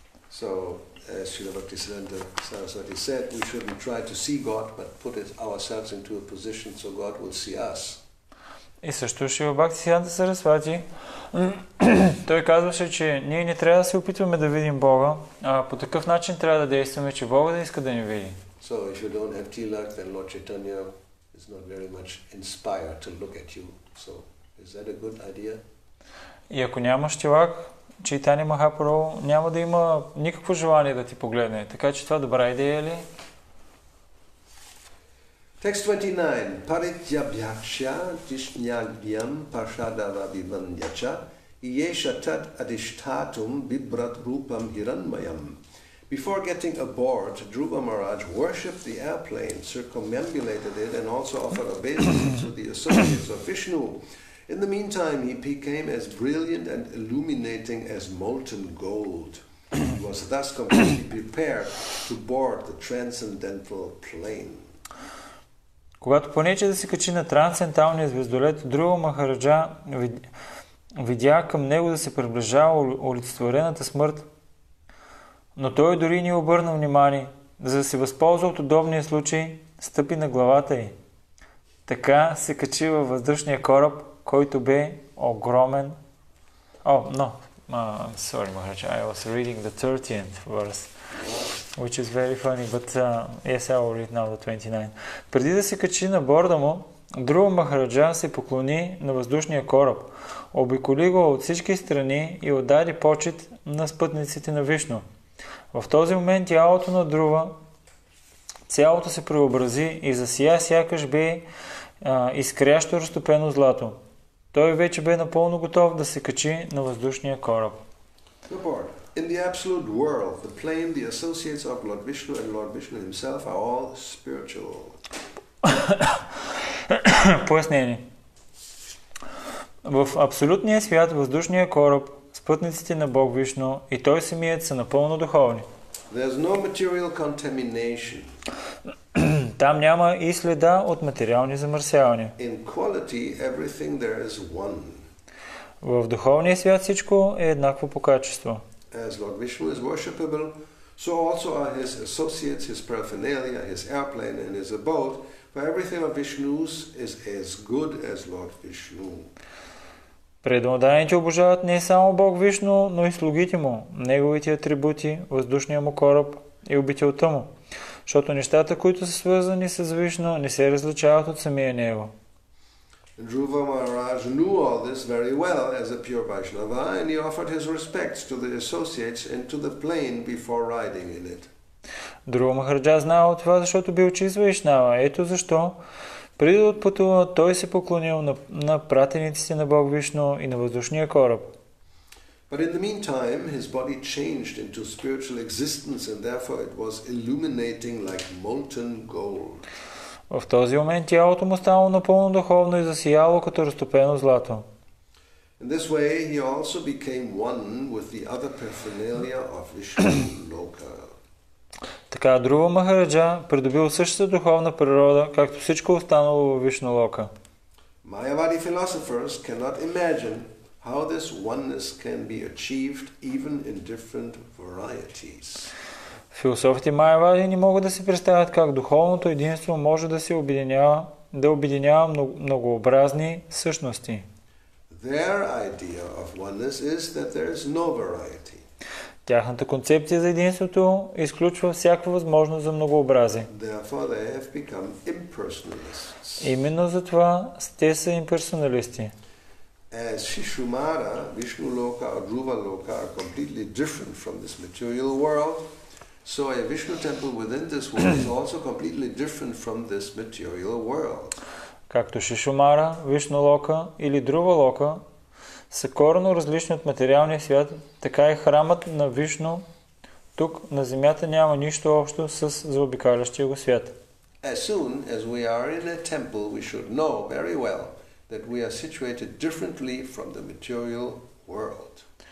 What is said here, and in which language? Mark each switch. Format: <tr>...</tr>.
<en>So, as Srila Bhaktisiddhanta Saraswati said, we shouldn't try to see God, but put ourselves into a position so God will see us.</en> <bg>И също Шрила Бхактисиддханта Сарасвати, той казваше, че ние не трябва да се опитваме да видим Бога, а по такъв начин трябва да действаме, че Бога да иска да ни види.</bg> <en>So, if you don't have tilak, then Lord Chaitanya is not very much inspired to look at you. So, is that a good idea?</en> <bg>И ако нямаш тилак, Чайтани Махапрабху няма да има никакво желание да ти погледне. Така че това добра идея ли?</bg> <en>Text 29.</en> <sa>Paritya bhyakshya tishnyagdiyam pashadava vivandyacha iyesha tat adishtatum vibrat rupam hiranmayam.</sa> <en>Before getting aboard, Dhruva Maharaj worshipped the airplane, circumambulated it, and also offered obeisance to the associates of Vishnu. In the meantime, he became as brilliant and illuminating as molten gold. He was thus completely prepared to board the transcendental plane.</en> <bg>Когато понече да се качи на трансценденталния звездолет, Друва Махараджа видя към него да се приближава олицетворената смърт. Но той дори не обърна внимание, за да се възползва от удобния случай, стъпи на главата й. Така се качи във въздушния кораб, който бе огромен.</bg> <en>Sorry, Maharaj, I was reading the 13th verse, which is very funny, but yes, I will read now the 29th.</en> <bg>Преди да се качи на борда му, Друго Махараджа се поклони на въздушния кораб, обиколи го от всички страни и удари почет на спътниците на Вишну. В този момент тялото на Друва цялото се преобрази и засия сякаш бе изкрящо разтопено злато. Той вече бе напълно готов да се качи на въздушния кораб.</bg> <en>In the absolute world, the plane, the associates of Lord Vishnu and Lord Vishnu himself are all spiritual.</en> <bg>Пояснение. В абсолютния свят, въздушния кораб, спътниците на Бог Вишну и той самият са напълно духовни.</bg> <en>There's no material contamination.</en> <bg>Там няма и следа от материални замърсявания.</bg> <en>In quality, everything there is one.</en> <bg>В духовния свят всичко е еднакво по качество.</bg> <en>As Lord Vishnu is worshipable, so also are his associates, his paraphernalia, his airplane and his abode, for everything of Vishnu's is as good as Lord Vishnu.</en> <bg>Предмоданите обожават не само Бог Вишну, но и слугите му, неговите атрибути, въздушния му кораб и обителта му, защото нещата, които са свързани с Вишну, не се различават от самия него.</bg> <en>Dhruva Maharaj knew all this very well as a pure Vaishnava and he offered his respects to the associates and to the plane before riding in it.</en> <bg>Dhruva Maharaja знал това, защото бил чист Вайшнава. Ето защо преди да отпътува, той се поклонил на пратениците на Бог Вишну и на въздушния кораб.</bg> <en>But in the meantime, his body changed into spiritual existence and therefore it was illuminating like molten gold.</en> <bg>В този момент тялото му стало напълно духовно и засияло като разтопено злато.</bg> <en>In this way he also became one with the other paraphernalia of Vishnu Loka.</en> <bg>Така Друва Махараджа придобил същата духовна природа, както всичко останало в Вишну Лока.</bg> <en>Mayavadi philosophers cannot imagine how this oneness can be achieved even in different varieties.</en> <bg>Философите майявади не могат да си представят как духовното единство може да се обединява, да обединява многообразни същности.</bg> <en>Their idea of oneness is that there is no variety.</en> <bg>Тяхната концепция за единството изключва всяка възможност за многообразие.</bg> <en>Therefore they have become impersonalists.</en> <bg>Именно затова те са имперсоналисти.</bg> <en>As Shishumara, Vishnu Loka or Dhruva Loka are completely different from this material world. So a Vishnu temple within this world is also completely different from this material world.</en> <bg>Както Шишумара, Вишну Лока или Друва Лока са коренно различни от материалния свят, така и храмът на Вишну тук на земята няма нищо общо с заобикалящия го свят.</bg> <en>As soon as we are in a temple, we should know very well that we are situated differently from the material world.</en>